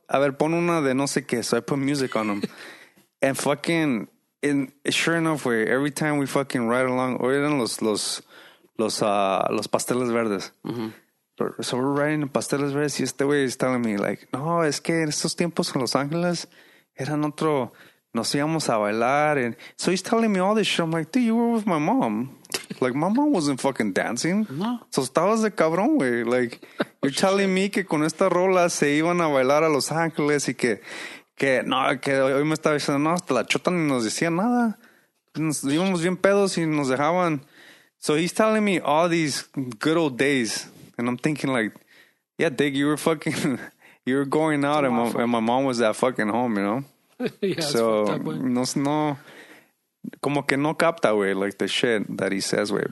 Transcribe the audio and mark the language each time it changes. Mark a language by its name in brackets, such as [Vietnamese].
[Spanish] A ver, pon una de no sé qué. [English] So I put music on him. And fucking, and sure enough, we, every time we fucking ride along, eran los pasteles verdes. Mm-hmm. So we're riding the pasteles verdes, [Spanish] y este güey [English] is telling me, like, [Spanish] no, es que en estos tiempos en Los Ángeles, eran otro, nos íbamos a bailar. [English] And so he's telling me all this shit. I'm like, dude, you were with my mom. Like, my mom wasn't fucking dancing. No. [Spanish] So, estabas de cabrón, güey. [English] Like, you're telling me [Spanish] que con esta rola se iban a bailar a Los Ángeles y que no, que hoy me estaba diciendo, no, hasta la chota ni nos decía nada. Nos íbamos bien pedos y nos dejaban. [English] So, he's telling me all these good old days. And I'm thinking, like, yeah, Dick, you were fucking, you were going out and my mom was at fucking home, you know? Yeah, so, no. [Spanish] Como que no capta, güey, [English] like the shit that he says, [Spanish] güey.